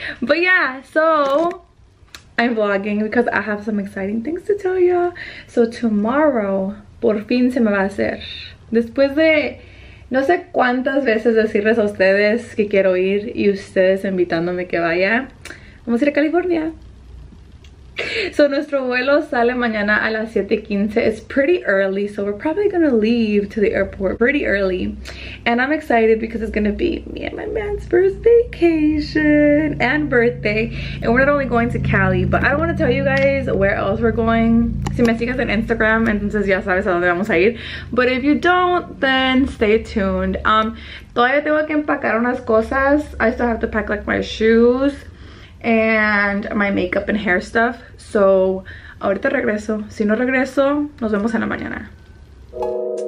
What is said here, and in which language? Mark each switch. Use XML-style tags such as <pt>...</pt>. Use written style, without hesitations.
<en>But yeah, so I'm vlogging because I have some exciting things to tell y'all. So tomorrow,</en> <es>por fin se me va a hacer. Después de no sé cuántas veces decirles a ustedes que quiero ir y ustedes invitándome que vaya, vamos a ir a California. So nuestro vuelo sale mañana a las 7:15.</es> <en>It's pretty early, so we're probably gonna leave to the airport pretty early. And I'm excited because it's gonna be me and my man's first vacation and birthday. And we're not only going to Cali, but I don't want to tell you guys where else we're going.</en> <es>Si me sigues en Instagram, entonces ya sabes a dónde vamos a ir.</es> <en>But if you don't, then stay tuned.</en> <es>Todavía tengo que empacar unas cosas.</es> <en>I still have to pack like my shoes and my makeup and hair stuff.</en> <es>So, ahorita regreso. Si no regreso, nos vemos en la mañana.</es>